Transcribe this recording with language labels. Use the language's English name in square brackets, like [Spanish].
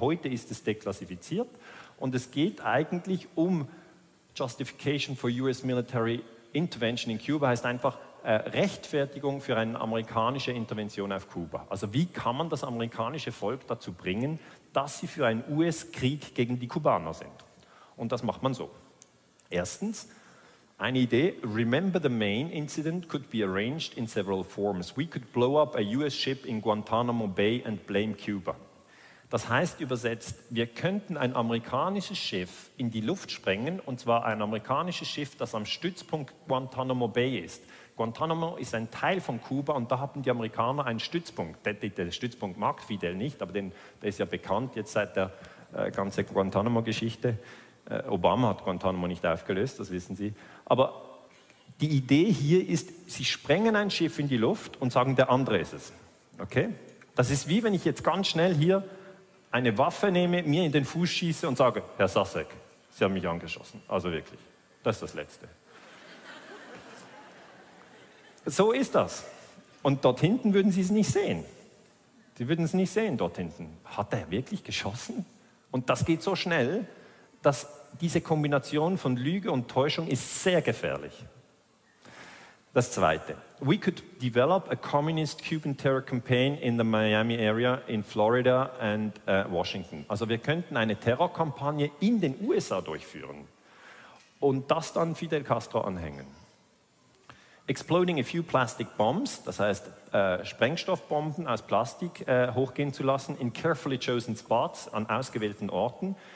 [German] Heute ist es deklassifiziert und es geht eigentlich um [English] Justification for US Military Intervention in Cuba, [German] heißt einfach Rechtfertigung für eine amerikanische Intervention auf Kuba. Also wie kann man das amerikanische Volk dazu bringen, dass sie für einen US-Krieg gegen die Kubaner sind? Und das macht man so. Erstens, eine Idee, [English] remember the main incident could be arranged in several forms. We could blow up a US ship in Guantanamo Bay and blame Cuba. [German] Das heißt übersetzt, wir könnten ein amerikanisches Schiff in die Luft sprengen, und zwar ein amerikanisches Schiff, das am Stützpunkt Guantanamo Bay ist. Guantanamo ist ein Teil von Kuba und da haben die Amerikaner einen Stützpunkt. Der Stützpunkt mag Fidel nicht, aber der ist ja bekannt jetzt seit der ganzen Guantanamo-Geschichte. Obama hat Guantanamo nicht aufgelöst, das wissen Sie. Aber die Idee hier ist, sie sprengen ein Schiff in die Luft und sagen, der andere ist es. Okay? Das ist wie wenn ich jetzt ganz schnell hier eine Waffe nehme, mir in den Fuß schieße und sage, Herr Sasek, Sie haben mich angeschossen. Also wirklich, das ist das Letzte. So ist das. Und dort hinten würden Sie es nicht sehen. Sie würden es nicht sehen dort hinten. Hat er wirklich geschossen? Und das geht so schnell, dass diese Kombination von Lüge und Täuschung ist sehr gefährlich. Das Zweite. [English] We could develop a communist Cuban terror campaign in the Miami area in Florida and Washington. [German] Also wir könnten eine Terrorkampagne in den USA durchführen und das dann Fidel Castro anhängen. [English] Exploding a few plastic bombs, [German] das heißt Sprengstoffbomben aus Plastik hochgehen zu lassen [English] in carefully chosen spots [German] an ausgewählten Orten.